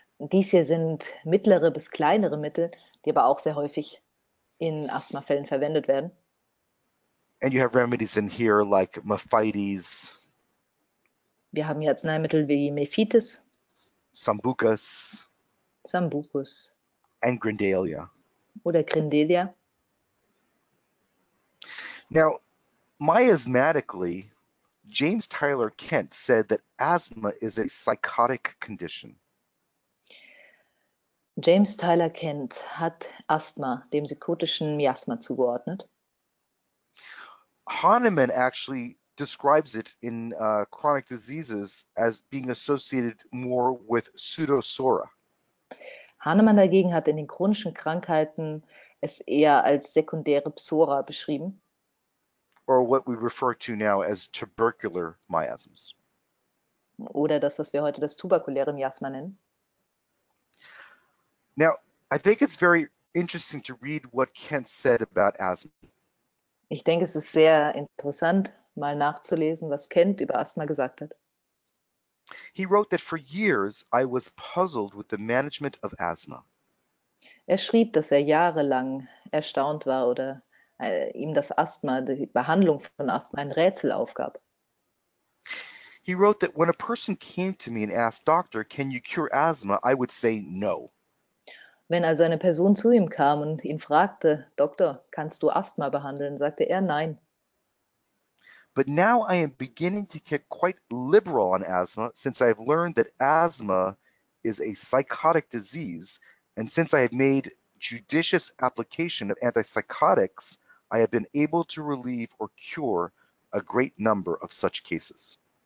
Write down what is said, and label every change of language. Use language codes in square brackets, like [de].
[de] Dies hier sind mittlere bis kleinere Mittel, die aber auch sehr häufig in Asthmafällen verwendet werden. [en] And you have remedies in here like Mephitis, [de] Wir haben hier Arzneimittel wie Mephitis, [en] Sambucus, [de] Sambucus [en] and Grindalia. [de] oder Grindelia. [en] Now, miasmatically, James Tyler Kent said that asthma is a psychotic condition. [de] James Tyler Kent hat Asthma dem psychotischen Miasma zugeordnet. [en] Hahnemann actually describes it in chronic diseases as being associated more with pseudosura. [de] Hahnemann dagegen hat in den chronischen Krankheiten es eher als sekundäre Psora beschrieben. [en] Or what we refer to now as tubercular miasms. [de] Oder das, was wir heute das tuberkuläre Miasma nennen. [en] Now, I think it's very interesting to read what Kent said about asthma. [de] Ich denke, es ist sehr interessant, mal nachzulesen, was Kent über Asthma gesagt hat. [en] He wrote that for years I was puzzled with the management of asthma. [de] Er schrieb, dass er jahrelang erstaunt war oder ihm das Asthma, die Behandlung von Asthma, ein Rätsel aufgab. [en] He wrote that when a person came to me and asked, Doctor, can you cure asthma? I would say no. [de] Wenn also eine Person zu ihm kam und ihn fragte, Doktor, kannst du Asthma behandeln? Sagte er, nein. [en] But now I am beginning to get quite liberal on asthma since I have learned that asthma is a psychotic disease, and since I have made judicious application of antipsychotics, I have been able to relieve or cure a great number of such cases.